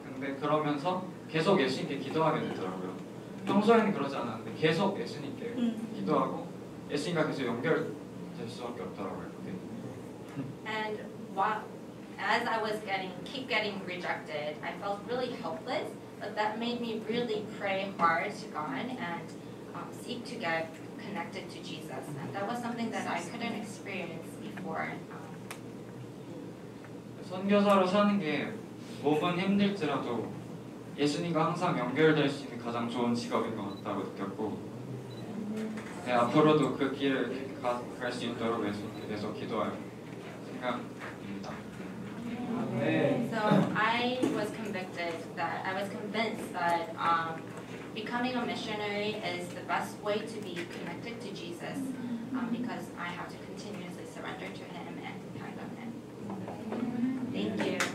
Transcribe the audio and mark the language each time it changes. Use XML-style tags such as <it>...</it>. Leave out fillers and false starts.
<ko>근데 그러면서 계속 예수님께 기도하게 되더라고요. 평소에는 그러지 않았는데 계속 예수님께 기도하고 예수님과 계속 연결될 수밖에 없더라고요. 그게.</ko> <en>And as I was keep getting rejected, I felt really helpless. But that made me really pray hard to God and seek to get connected to Jesus. And that was something that I couldn't experience before.</en> <ko>선교사로 사는 게 몸은 힘들지라도 예수님과 항상 연결될 수 있는 가장 좋은 직업인 것 같다고 느꼈고 네, 앞으로도 그 길을 갈 수 있도록 계속 기도할 생각입니다.</ko> <en>네. So I was was convinced that becoming a missionary is the best way to be connected to Jesus because I have to continuously surrender to Him and depend on Him.</en>